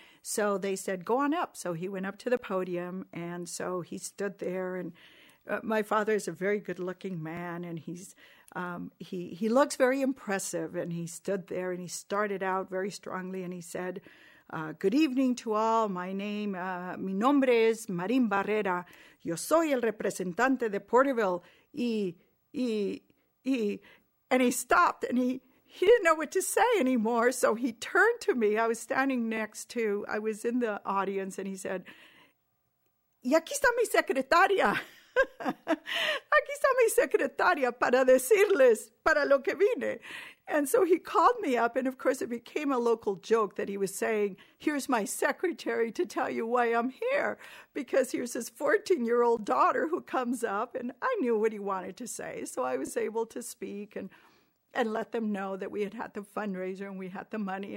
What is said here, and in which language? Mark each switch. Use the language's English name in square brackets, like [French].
[English] So they said, go on up. So he went up to the podium, and so he stood there. And my father is a very good-looking man, and he looks very impressive. And he stood there, and he started out very strongly, and he said, good evening to all. [Spanish] Mi nombre es Marín Barrera. Yo soy el representante de Porterville. [English] And he stopped, and he didn't know what to say anymore, so he turned to me. I was in the audience, and he said, [Spanish] y aquí está mi secretaria. Aquí está mi secretaria para decirles para lo que vine. [English] And so he called me up, and of course it became a local joke that he was saying, here's my secretary to tell you why I'm here, because here's his 14-year-old daughter who comes up, and I knew what he wanted to say. So I was able to speak and let them know that we had had the fundraiser and we had the money.